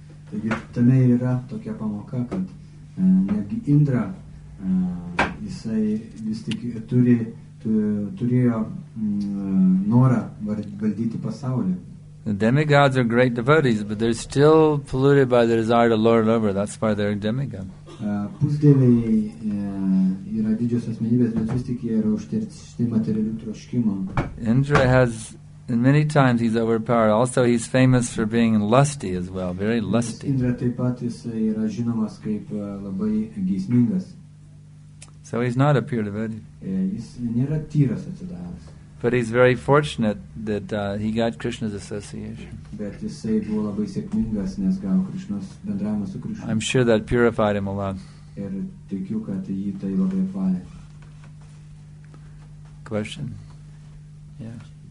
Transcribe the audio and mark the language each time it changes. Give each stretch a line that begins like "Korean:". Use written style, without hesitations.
Lithuanian: Taigi, tame yra tokia pamoka, kad netgi Indra, jisai vis tik turėjo norą valdyti pasaulį.
English: The demigods are great devotees, but they're still polluted by the desire to lord it over. That's why they're a demigod.
Lithuanian: Pusdieviai yra didžios asmenybės, bet vis tik jie yra užterti materialių troškimų.
English: Indra has, and many times he's overpowered. Also, he's famous for being lusty as well, very lusty.
Lithuanian: Indra taip pat jis yra žinomas kaip labai geismingas.
English: So he's not a pure devotee.
Lithuanian: Jis nėra tyras atsidavęs.
English: But he's very fortunate that he got Krishna's association.
Lithuanian: Bet jisai buvo labai sėkmingas, nes gavo Krishnos bendravimą su Krishna.
English: I'm sure that purified him a lot.
Lithuanian: Ir tikiu, kad jį tai labai apvalė.
English: Question? Yeah.